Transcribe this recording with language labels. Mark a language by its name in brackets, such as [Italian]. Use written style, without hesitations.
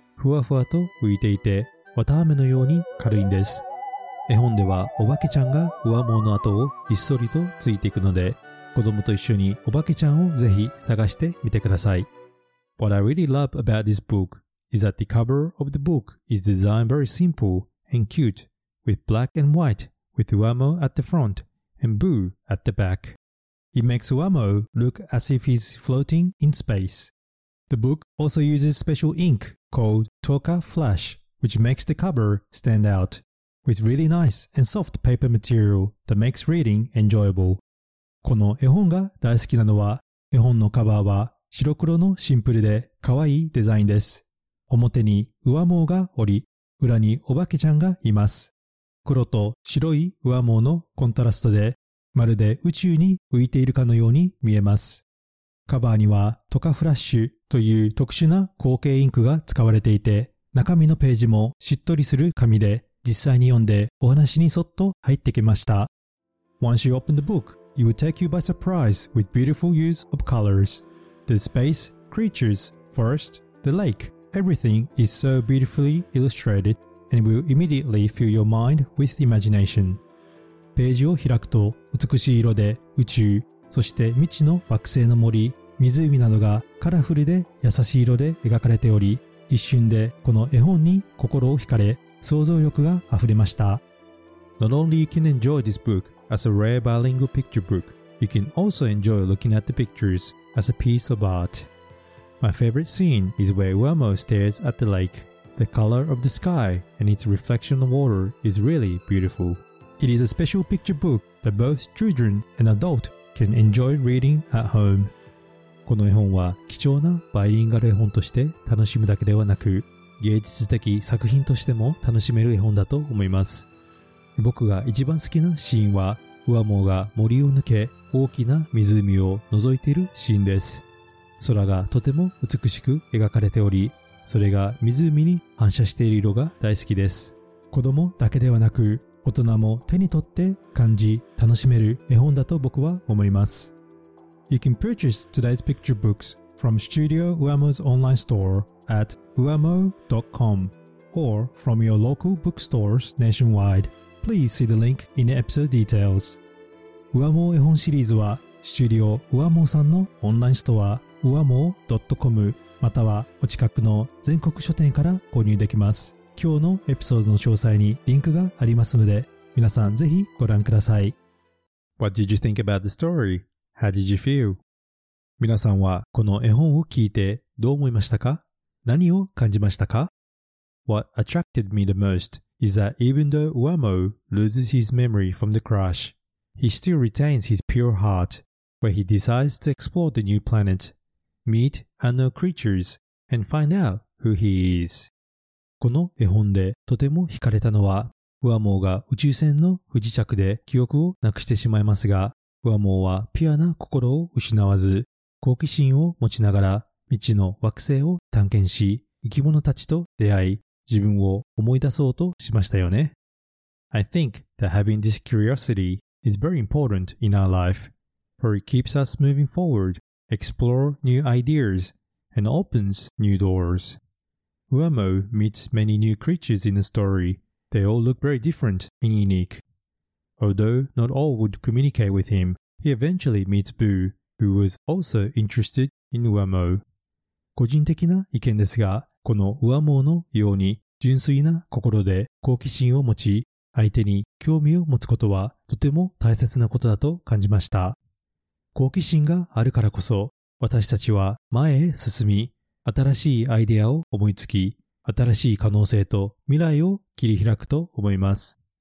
[Japanese] ふわふわと浮いていて、綿あめのように軽いんです。絵本では、お化けちゃんがUamoの後をひっそりとついていくので、子供と一緒にお化けちゃんをぜひ探してみてください。 [English] What I really love about this book is that the cover of the book is designed very simple and cute, with black and white, with Uamo at the front and Boo at the back. It makes Uamo look as if he's floating in space. The book also uses special ink called Toka Flash, which makes the cover stand out, with really nice and soft paper material that makes reading enjoyable. [Japanese] この絵本が大好きなのは、絵本のカバーは白黒のシンプルで可愛いデザインです。表にウアモーがおり、裏にお化けちゃんがいます。黒と白いウアモーのコントラストで、まるで宇宙に浮いているかのように見えます。カバーにはトカフラッシュという特殊な光景インクが使われていて、中身のページもしっとりする紙で、実際に読んでお話にそっと入ってきました。 [English] Once you open the book, it will take you by surprise with beautiful use of colors. The space, creatures, forest, the lake, everything is so beautifully illustrated and will immediately fill your mind with imagination. [Japanese] ページを開くと美しい色で宇宙、そして未知の惑星の森、湖などがカラフルで優しい色で描かれており、一瞬でこの絵本に心を惹かれ、想像力が溢れました。 [English] Not only you can enjoy this book as a rare bilingual picture book, you can also enjoy looking at the pictures. As a piece of art. My favorite scene is where Uamo stares at the lake. The color of the sky and its reflection on water is really beautiful. It is a special picture book that both children and adults can enjoy reading at home. [Japanese] この絵本は貴重なバイリンガル絵本として楽しむだけではなく、芸術的作品としても楽しめる絵本だと思います。僕が一番好きなシーンは、ウアモーが森を抜け、大きな湖を覗いているシーンです。空がとても美しく描かれており、それが湖に反射している色が大好きです。子供だけではなく、大人も手に取って感じ、楽しめる絵本だと僕は思います。 [English] You can purchase today's picture books from Studio Uamo's online store at uamo.com or from your local bookstores nationwide. Please see the link in the episode details. [Japanese] Uamo 絵本シリーズは、スタジオ Uamo さんのオンラインストア、uamo.com またはお近くの全国書店から購入できます。今日のエピソードの詳細にリンクがありますので、皆さんぜひご覧ください。 [English] What did you think about the story? How did you feel? [Japanese] 皆さんはこの絵本を聞いてどう思いましたか? 何を感じましたか? [English] What attracted me the most?is that even though Uamo loses his memory from the crash, he still retains his pure heart, where he decides to explore the new planet, meet unknown creatures, and find out who he is. [Japanese] この絵本でとても惹かれたのは、ウアモーが宇宙船の不時着で記憶をなくしてしまいますが、ウアモーはピュアな心を失わず、好奇心を持ちながら未知の惑星を探検し、生き物たちと出会い、自分を思い出そうとしましたよね。 [English] I think that having this curiosity is very important in our life, for it keeps us moving forward, explore new ideas, and opens new doors. Uamo meets many new creatures in the story. They all look very different and unique. Although not all would communicate with him, he eventually meets Boo, who was also interested in Uamo. [Japanese] 個人的な意見ですが、このウアモーのように純粋な心で好奇心を持ち、相手に興味を持つことはとても大切なことだと感じました。好奇心があるからこそ、私たちは前へ進み、新しいアイデアを思いつき、新しい可能性と未来を切り開くと思います。